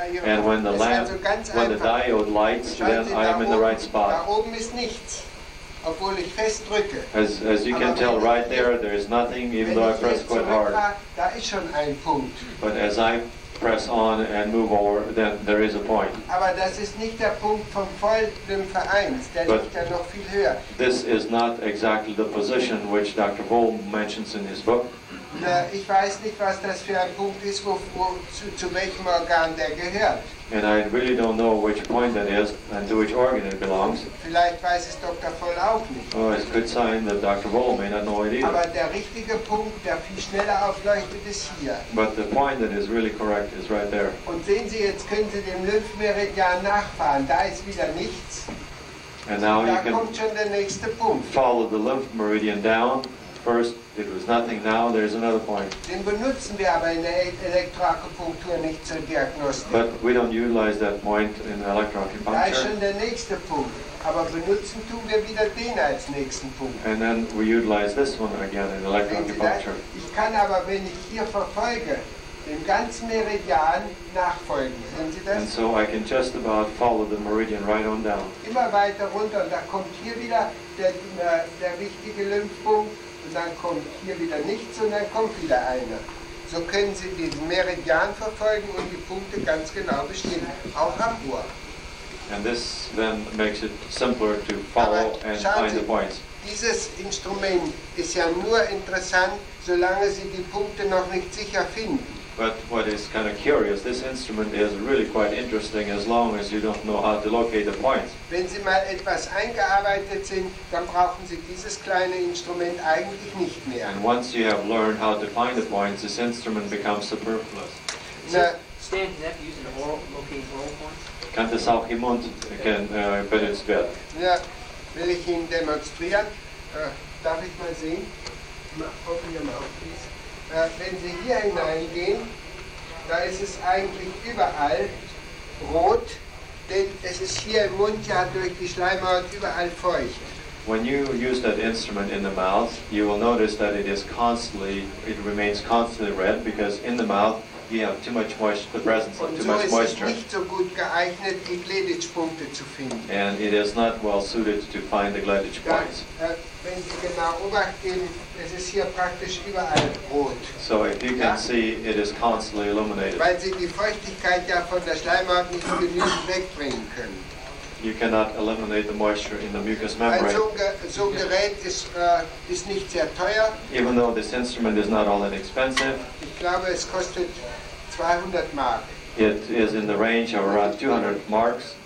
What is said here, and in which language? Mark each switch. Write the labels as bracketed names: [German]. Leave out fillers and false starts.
[English] And when the lamp, when the diode lights, then I am in the right spot. [German] Da oben ist nichts, obwohl ich fest drücke. [English] As you can tell right there, there is nothing, even though I press quite hard. [German] Da ist schon ein Punkt. [English] But as I press on and move over, then there is a point. [German] Aber das ist nicht der Punkt vom Volllymphe 1, der [English] but [German] liegt ja noch viel höher. [English] This is not exactly the position which Dr. Bohm mentions in his book. [German] Na, ich weiß nicht, was das für ein Punkt ist, zu welchem Organ der gehört. [English] And I really don't know which point that is and to which organ it belongs. [German] Vielleicht weiß es Dr. Voll auch nicht. [English] Oh, it could [German] sein [English] that Dr. Voll may not know it either. [German] Aber der richtige Punkt, der viel schneller aufleuchtet, ist hier. [English] But the point that is really correct is right there. [German] Und sehen Sie, jetzt können Sie dem Lymphmeridian nachfahren. Da ist wieder nichts. [English] And now [German] da [English] you can [German] kommt schon der nächste Punkt. [English] Follow the lymph meridian down. First, it was nothing. Now there is another point. [German] Den benutzen wir aber in der Elektroakupunktur nicht zur Diagnostik. [English] But we don't utilize that point in electroacupuncture. [German] Da ist schon der nächste Punkt. Aber benutzen tun wir wieder den als nächsten Punkt. [English] And then we utilize this one again in electroacupuncture. [German] Ich kann aber, wenn ich hier verfolge, dem ganzen Meridian nachfolgen. Sehen Sie das? [English] And so I can just about follow the meridian right on down. [German] Immer weiter runter und da kommt hier wieder der richtige Lymphpunkt. Und dann kommt hier wieder nichts und dann kommt wieder einer. So können Sie diesen Meridian verfolgen und die Punkte ganz genau bestimmen. Auch am Ohr. [English] And this then makes it simpler to follow [German] aber [English] and find [German] Sie, [English] the points. [German] Dieses Instrument ist ja nur interessant, solange Sie die Punkte noch nicht sicher finden. [English] But what is kind of curious, this instrument is really quite interesting as long as you don't know how to locate the points. [German] Wenn Sie mal etwas eingearbeitet sind, dann brauchen Sie dieses kleine Instrument eigentlich nicht mehr. [English] And once you have learned how to find the points, this instrument becomes superfluous. Stan, does that use an oral locating oral points? [German] Kann das auch jemand erkennen, wenn es wird? Ja, will ich Ihnen demonstrieren? Darf ich mal sehen? [English] Open your mouth, please. [German] Wenn Sie hier hineingehen, da ist es eigentlich überall rot, denn es ist hier im Mund ja durch die Schleimhaut überall feucht. [English] When you use that instrument in the mouth, you will notice that it is constantly, it remains constantly red, because in the mouth you have too much moisture, the presence of too much moisture. [German] Und so ist es nicht so gut geeignet, die Gleditsch-Punkte zu finden. [English] And it is not well suited to find the Gleditsch points. [German] Wenn Sie genau Obacht geben, es ist hier praktisch überall rot. [English] So if you can see, it is constantly illuminated. [German] Weil Sie die Feuchtigkeit ja von der Schleimhaut nicht genügend wegbringen können. [English] You cannot eliminate the moisture in the mucous membrane. [German] Also, so ein Gerät ist nicht sehr teuer. [English] Even though this instrument is not all that expensive. [German] Ich glaube, es kostet 200 Mark. [English] It is in the range of around 200 marks.